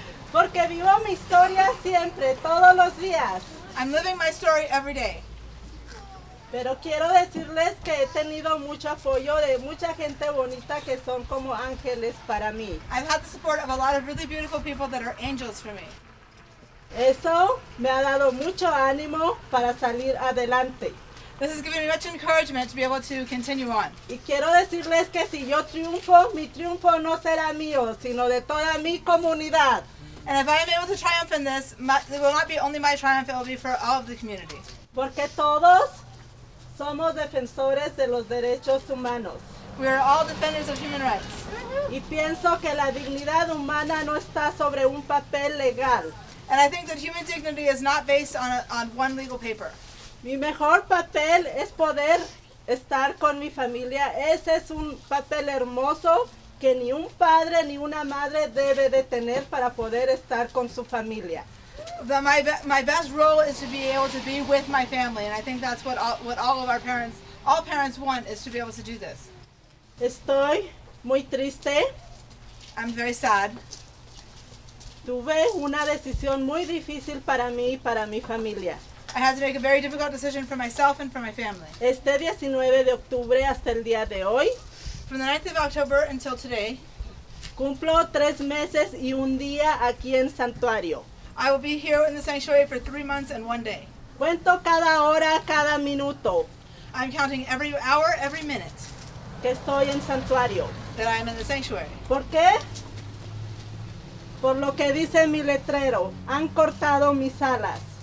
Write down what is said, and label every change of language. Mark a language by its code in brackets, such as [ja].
[es] Porque vivo mi historia siempre, todos los días. [en] I'm living my story every day. [es] Pero quiero decirles que he tenido mucho apoyo de mucha gente bonita que son como ángeles para mí. [en] I've had the support of a lot of really beautiful people that are angels for me. [es] Eso me ha dado mucho ánimo para salir adelante. [en] This has given me much encouragement to be able to continue on. [es] Y quiero decirles que si yo triunfo, mi triunfo no será mío, sino de toda mi comunidad. [en] And if I am able to triumph in this, it will not be only my triumph, it will be for all of the community. [es] Porque todos somos defensores de los derechos humanos. [en] We are all defenders of human rights. [es] Y pienso que la dignidad humana no está sobre un papel legal. [en] And I think that human dignity is not based on one legal paper. [es] Mi mejor papel es poder estar con mi familia. Ese es un papel hermoso que ni un padre ni una madre debe de tener para poder estar con su familia. [en] My best role is to be able to be with my family, and I think that's what all of our parents, all parents want, is to be able to do this. [es] Estoy muy triste. [en] I'm very sad. [es] Tuve una decisión muy difícil para mí y para mi familia. [en] I had to make a very difficult decision for myself and for my family. [es] Este 19 de octubre hasta el día de hoy. [en] From the 9th of October until today. [es] Cumplo 3 meses y un día aquí en santuario. [en] I will be here in the sanctuary for 3 months and 1 day. [es] Cuento cada hora, cada minuto. [en] I'm counting every hour, every minute. [es] Que estoy en santuario. [en] That I am in the sanctuary. [es] ¿Por qué? Por lo que dice mi letrero. Han cortado mis alas.